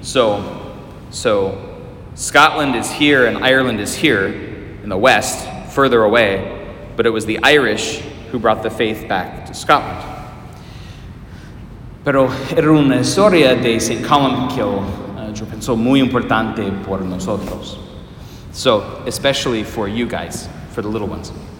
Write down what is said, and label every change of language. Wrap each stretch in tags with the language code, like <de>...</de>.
<en>So Scotland is here and Ireland is here in the west, further away, but it was the Irish who brought the faith back to Scotland.</en> <es>Pero era una historia de Saint Columbkill, yo pensó, muy importante por nosotros.</es> <en>So, especially for you guys, for the little ones.</en>